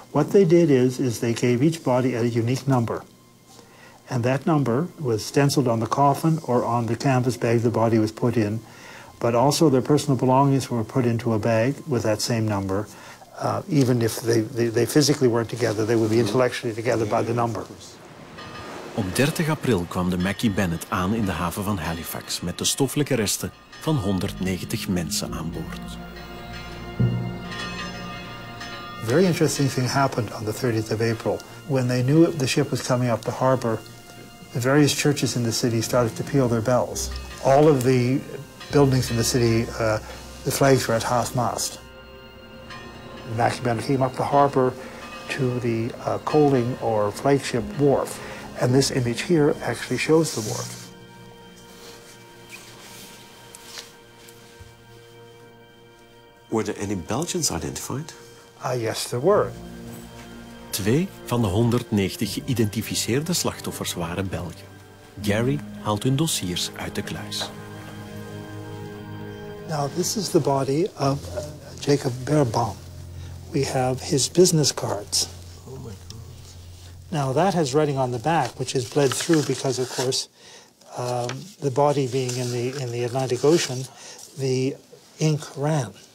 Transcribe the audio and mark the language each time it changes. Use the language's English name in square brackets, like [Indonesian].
[English] What they did is they gave each body a unique number. And that number was stenciled on the coffin or on the canvas bag the body was put in. But also their personal belongings were put into a bag with that same number. Even if they physically weren't together, they would be intellectually together by the number. [Dutch] Op 30 april kwam de Mackie Bennett aan in de haven van Halifax met de stoffelijke resten van 190 mensen aan boord. [English] A very interesting thing happened on the 30th of April. When they knew the ship was coming up the harbor, the various churches in the city started to peal their bells. All of the buildings in the city, the flags were at half mast. Mackie Bennett came up the harbor to the coaling or flagship wharf. And this image here actually shows the wharf. Were there any Belgians identified? Yes, there were. [Dutch] Twee van de 190 geïdentificeerde slachtoffers waren Belgen. Gary haalt hun dossiers uit de kluis. [English] Now, this is the body of Jacob Berbaum. We have his business cards. Now, that has writing on the back, which is bled through because, of course, the body being in the Atlantic Ocean, the ink ran.